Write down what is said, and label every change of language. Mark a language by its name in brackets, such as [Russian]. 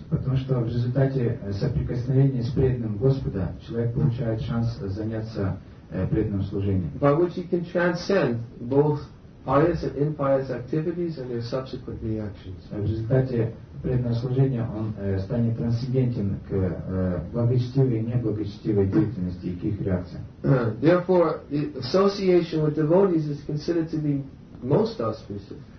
[Russian] Потому что в результате соприкосновения с преданным Господа человек получает шанс заняться преданным служением. [English] By which he can transcend both pious and impious activities and their subsequent reactions. [Russian] В результате преданное служение он станет трансцендентен к благочестивой и неблагочестивой деятельности и к их реакциям. [English] Therefore, the association with devotees is considered to be most auspicious.